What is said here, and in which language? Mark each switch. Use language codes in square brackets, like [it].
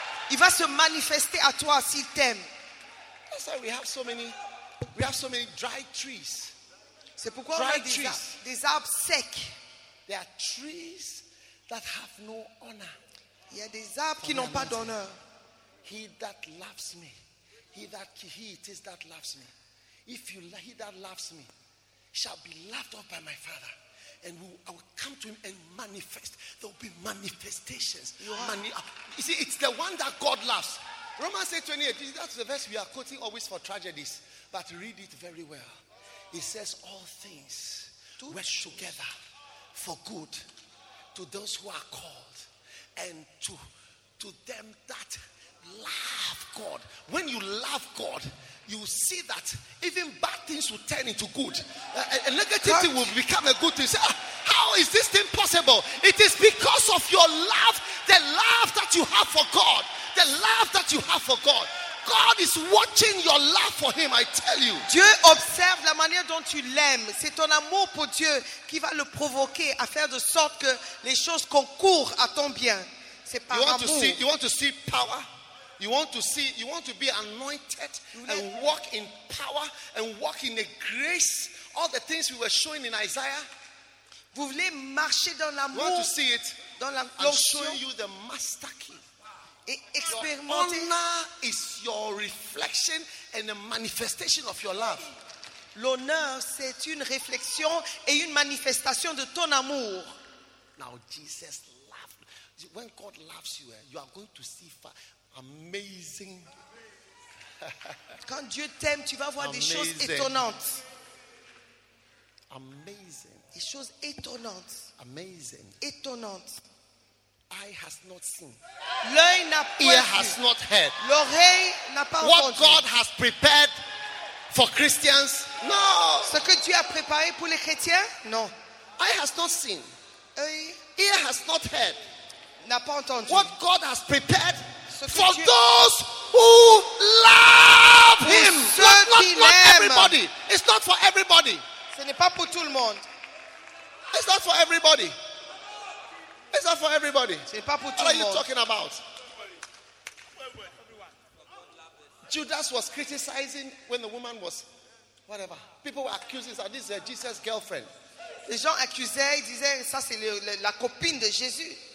[fr] Il va se manifester à toi s'il t'aime. [en] That's why we have so many dry trees. [fr] C'est pourquoi dry on a des arbres secs. [en] There are trees that have no honor. [fr] Il y a des arbres qui n'ont pas d'honneur. [en] He that loves me, he it is that loves me. If you he that loves me shall be loved up by my Father. And I will come to him and manifest. There will be manifestations. You see, it's the one that God loves. Romans 8, 28. That's the verse we are quoting always for tragedies. But read it very well. It says, all things work together for good to those who are called and to them that love God. When you love God, you see that even bad things will turn into good. A negative thing will become a good thing. Say, how is this thing possible? It is because of your love, the love that you have for God. The love that you have for God. God is watching your love for him, I tell you. [fr] Dieu observe la manière dont tu l'aimes. C'est ton amour pour Dieu qui va le provoquer à faire de sorte que les choses concourent à ton bien. C'est par amour. [en] You want to see power? You want to be anointed and walk in power and walk in the grace? All the things we were showing in Isaiah. [fr] Vous voulez marcher dans l'amour? [en] You want to see it? [fr] Dans la [en] I'm showing you the master key. [fr] Et expérimenter. [en] Your honor is your reflection and a manifestation of your love. [fr] L'honneur, c'est une réflexion et une manifestation de ton amour. [en] Now Jesus loves. When God loves you, you are going to see far. Amazing. [fr] Quand Dieu t'aime, tu vas voir des choses étonnantes. [en] Amazing. [fr] Des choses étonnantes. [en] Amazing. [fr] Étonnantes. [en] Eye has not seen. [fr] L'œil n'a pas vu. [en] Ear has not heard. [fr] L'oreille n'a pas entendu. [en] What God has prepared for Christians? No. [fr] Ce que Dieu a préparé pour les chrétiens? Non. [en] Eye has not seen. [fr] Oeil. [en] Ear has not heard. [fr] N'a pas entendu. [en] What God has prepared for those who love him. Not everybody. It's not for everybody. [fr] Ce n'est pas pour tout le monde. [en] It's not for everybody. It's not for everybody. [fr] Ce n'est pas pour tout [en] what are you [fr] monde. [en] Talking about? Judas was criticizing when the woman was whatever. People were accusing that this is Jesus' girlfriend. [fr] Les gens accusaient, ils disaient ça c'est la copine de Jésus.